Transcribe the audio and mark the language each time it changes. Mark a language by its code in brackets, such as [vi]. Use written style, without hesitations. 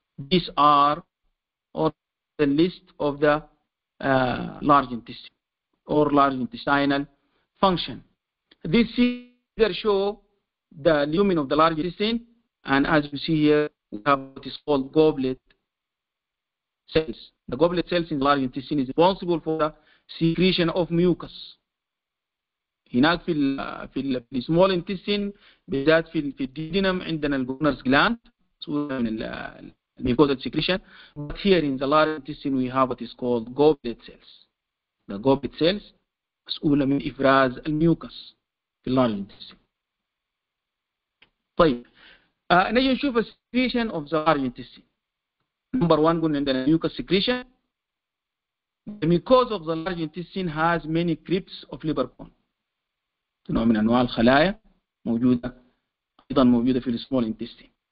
[en] These are on the list of the large intestine or large intestinal function. This figure show the lumen of the large intestine And as you see here, we have what is called goblet cells. The goblet cells in the large intestine is responsible for the secretion of mucus. [ar] هناك في السمول انتستين بالذات في الديدينم عندنا الجونرز جلاند صوره من الميكوزال سيكريشن [en] but here in the large intestine we have what is called goblet cells. The goblet cells [ar] مسؤوله من افراز الميوكس في اللارج انتستين. طيب نجي نشوف السيكريشن اوف ذا لارج انتستين. نمبر 1 قلنا عندنا ميوكس سيكريشن. [en] The mucosa of the large intestine has many crypts of liver bone. [ar] نوع من انواع الخلايا موجوده ايضا موجوده في السمول انتستين.